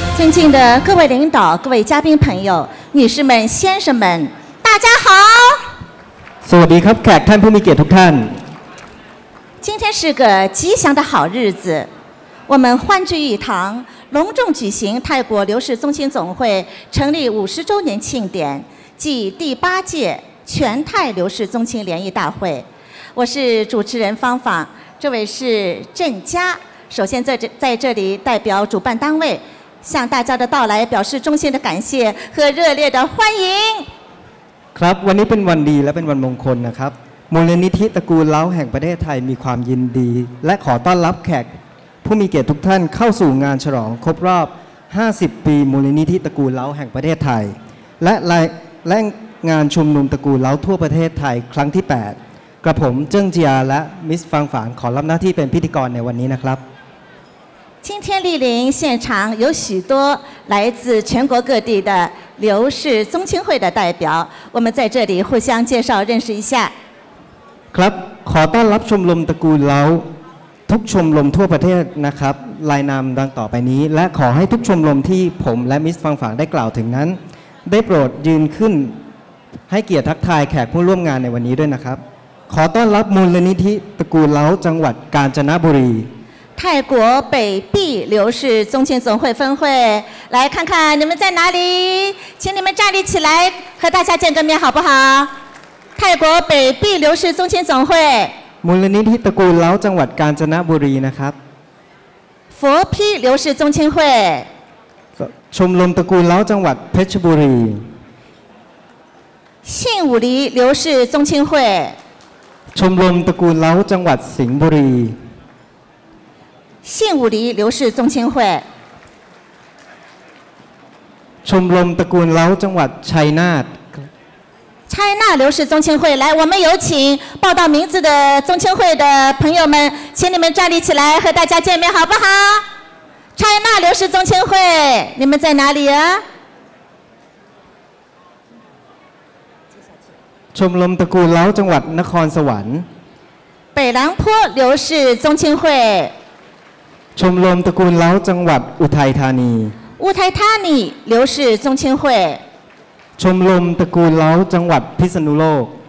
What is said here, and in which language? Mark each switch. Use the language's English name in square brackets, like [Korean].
[Chinese] 庆的各位领导、各位嘉宾朋友、女士们、先生们，大家好。 [Thai] สวัสดีครับแขกท่านผู้มีเกียรติทุกท่าน。 [Chinese] 今天是个吉祥的好日子，我们欢聚一堂，隆重举行泰国刘氏宗亲总会成立50周年庆典，即第八届全泰刘氏宗亲联谊大会。我是主持人芳芳，这位是郑佳。首先在这里代表主办单位向大家的到来表示衷心的感谢和热烈的欢迎。 [Thai] ครับวันนี้เป็นวันดีและเป็นวันมงคลนะครับมูลนิธิตระกูลเล้าแห่งประเทศไทยมีความยินดีและขอต้อนรับแขกผู้มีเกียรติทุกท่านเข้าสู่งานฉลองครบรอบ50 ปีมูลนิธิตระกูลเล้าแห่งประเทศไทยและงานชุมนุมตระกูลเล้าทั่วประเทศไทยครั้งที่8กระผมเจิ้งเจียและมิสฟางฝางขอรับหน้าที่เป็นพิธีกรในวันนี้นะครับ [Chinese] 今天莅临现场有许多来自全国各地的刘氏宗亲会的代表，我们在这里互相介绍认识一下。 [Thai] ครับขอต้อนรับชมรมตระกูลเล้าทุกชมรมทั่วประเทศนะครับรายนามดังต่อไปนี้และขอให้ทุกชมรมที่ผมและมิสฟางฝางได้กล่าวถึงนั้นได้โปรดยืนขึ้นให้เกียรติทักทายแขกผู้ร่วมงานในวันนี้ด้วยนะครับขอต้อนรับมูลนิธิตระกูลเล้าจังหวัดกาญจนบุรี [Chinese] 泰国北壁刘氏宗亲总会分会，来看看你们在哪里，请你们站立起来和大家见个面好不好？泰国北壁刘氏宗亲总会， [Thai] มูลนิธิตระกูลเล้าจังหวัดกาญจนบุรีนะครับ [Chinese] 佛坯刘氏宗亲会， [Thai] ชมรมตระกูลเล้าจังหวัดเพชรบุรี [Chinese] 信武里刘氏宗亲会， [Thai] ชมรมตระกูลเล้าจังหวัดสิงห์บุรี [Chinese] 信武里刘氏宗亲会， [Thai] ชมรมตระกูลเล้าจังหวัดชัยนาท。 [Chinese] ชัยนาท刘氏宗亲会，来，我们有请报到名字的宗亲会的朋友们，请你们站立起来和大家见面好不好？ ชัยนาท刘氏宗亲会，你们在哪里啊？ [Thai] ชมรมตระกูลเล้าจังหวัดนครสวรรค์。 [Chinese] 北兰坡刘氏宗亲会。 [Thai] ชมรมตระกูลเล้าจังหวัดอุทัยธานี [Chinese] อุทัยธานี刘氏宗亲会 [Thai] ชมรมตระกูลเล้าจังหวัดพิษณุโลก